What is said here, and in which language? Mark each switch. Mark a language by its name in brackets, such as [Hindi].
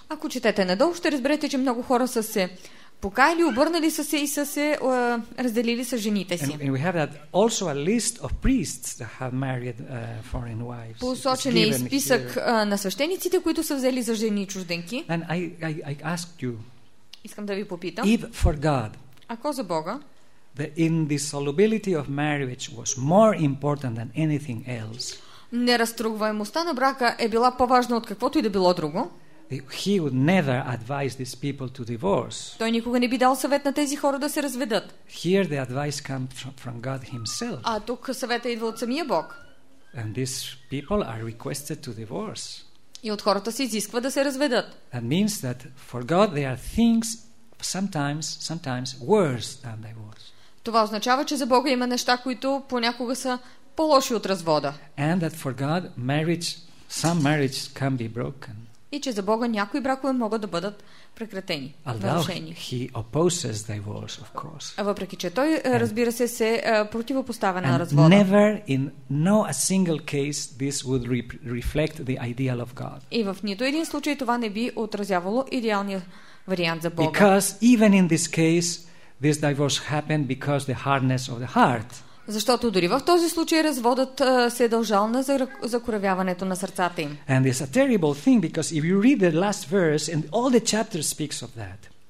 [Bulgarian] Ако четете надолу, ще разберете, че много хора са се покаяли, обърнали са се и са се разделили с жените си. [English] And we have that also a list of priests that have married foreign wives. [Bulgarian] Посочен е списък на свещениците, които са взели за жени чужденки. [English] And I asked you. [Bulgarian] Искам да ви попитам. [English] If for God. [Bulgarian] Ако за Бога. [English] The indissolubility of marriage was more important than anything else. [Bulgarian] Неразтругваемостта на брака е била по-важна от каквото и да било друго. [English] He would never advise these people to divorce. [Bulgarian] Той никога не би дал съвет на тези хора да се разведат. [English] Here the advice comes from God himself. [Bulgarian] А тук съвета идва от самия Бог. [English] And these people are requested to divorce. [Bulgarian] И от хората се изисква да се разведат. [English] That means that for God there are things sometimes worse than divorce. [Bulgarian] Това означава, че за Бога има неща, които понякога са по-лоши от развода. [English] And that for God, some marriage can be broken. [Bulgarian] И че за Бога някои бракове могат да бъдат прекратени, нарушени. [English] He opposes divorce, of course. [Bulgarian] А въпреки че той, разбира се, се противопоставя на развода. [English] Never in no a single case this would reflect the ideal of God. [Bulgarian] И в нито един случай това не би отразявало идеалния вариант за Бога. [English] Because even in this case this divorce happened because the hardness of the heart. [Bulgarian] Защото дори в този случай разводът се е дължал на закоравяването на сърцата им. [English] And it's a terrible thing because if you read the last verse and all the chapter speaks of that.